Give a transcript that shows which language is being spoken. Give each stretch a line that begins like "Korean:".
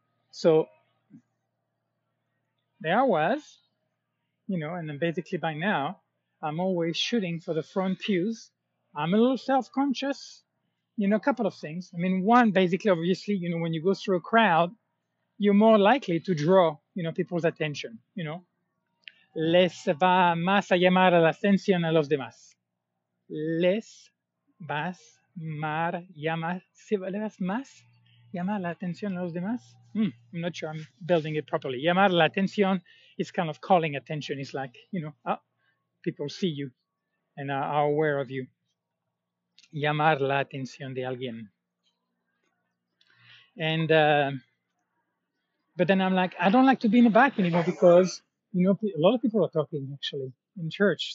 English: So there I was, you know, and then basically by now, I'm always shooting for the front pews. I'm a little self-conscious, you know, a couple of things. I mean, one, basically, obviously, you know, when you go through a crowd, you're more likely to draw, you know, people's attention, you know.
Spanish: Les va más a llamar a la atención a los demás. Les vas mar llamar, si vas más llamar la atención a los demás.
English: I'm not sure I'm building it properly.
Spanish: Llamar la atención
English: is kind of calling attention. It's like, you know, oh, people see you and are aware of you.
Spanish: Llamar la atención de alguien.
English: And, but then I'm like, I don't like to be in the back anymore because, you know, a lot of people are talking actually in church.